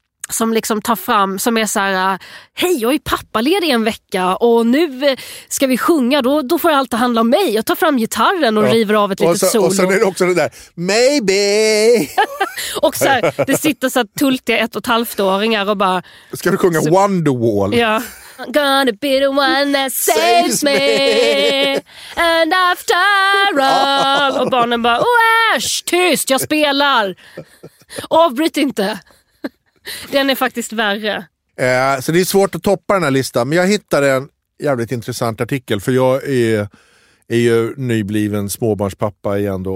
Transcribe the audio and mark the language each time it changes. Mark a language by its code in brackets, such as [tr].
[sv] som liksom tar fram, som är så här: hej, jag är pappaledig en vecka och nu ska vi sjunga, då får allt att handla om mig. Jag tar fram gitarren och ja. River av ett litet solo. Och sen är det också det där, maybe! Och så här, det sitter så här tultiga 1,5-åringar och bara: ska du sjunga så, Wonderwall? Ja. [en] I'm gonna be the one that saves me. And after all. [sv] Och barnen bara: oh, tyst, jag spelar. Avbryt inte. Den är faktiskt värre. Så det är svårt att toppa den här listan. Men jag hittade en jävligt intressant artikel. För jag är ju nybliven småbarnspappa igen då.